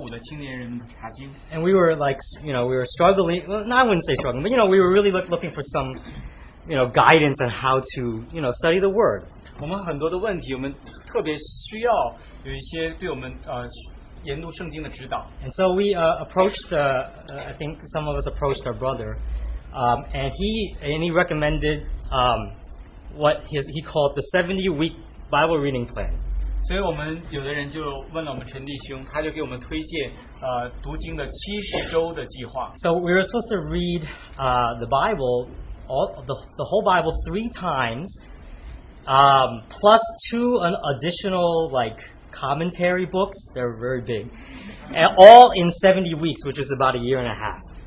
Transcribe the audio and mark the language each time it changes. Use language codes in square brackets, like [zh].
[en] And we were like, you know, we were struggling. Well, no, I wouldn't say struggling, but you know, we were really looking for some, you know, guidance on how to, you know, study the word. [zh] 我们很多的问题，我们特别需要有一些对我们 研读圣经的指导. [en] And so we approached, I think some of us approached our brother, and he recommended what he called the 70-week Bible reading plan. [zh] 所以我们有的人就问了我们陈弟兄，他就给我们推荐 读经的70周的计划. [en] So we were supposed to read the Bible, the whole Bible 3 times, plus 2 additional like commentary books. They're very big, and all in 70 weeks, which is about a year and a half.